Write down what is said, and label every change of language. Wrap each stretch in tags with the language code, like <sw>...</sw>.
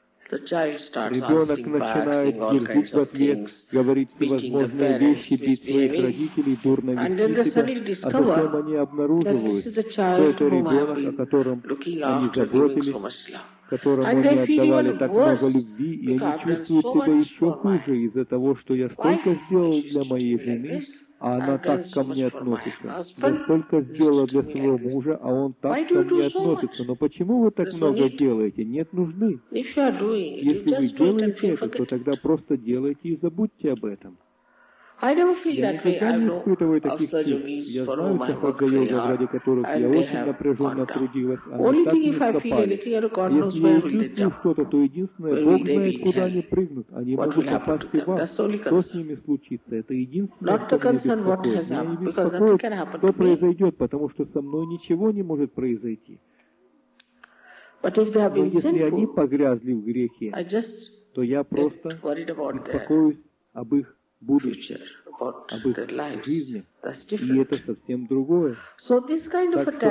<ru>Ребенок начинает дерзить в ответ, говорить всевозможные вещи, бить своих родителей, дурно вести себя, а затем они обнаруживают, что это ребенок, о котором они заботились, которому они отдавали так много любви, и они чувствуют себя еще хуже из-за того, что я столько сделал для моей жены, а она так ко мне относится. Я столько сделал для своего мужа, а он так ко мне относится. Но почему вы так много делаете? Нет нужды. Если вы делаете это, то тогда просто делайте и забудьте об этом.</ru> <en>I never feel that way. I know of such yogis for whom I work very hard, and they have gone down. Only thing, if I feel anything, God knows where will they jump. Where will they be held? What will happen to them? That's the only concern. Not the concern what has happened, because nothing can happen to me.</en> <ru>Потому что со мной ничего не может произойти. Но если они погрязли в грехе, то я просто беспокоюсь об их будущем, об их жизни. И это совсем другое. Так что</ru>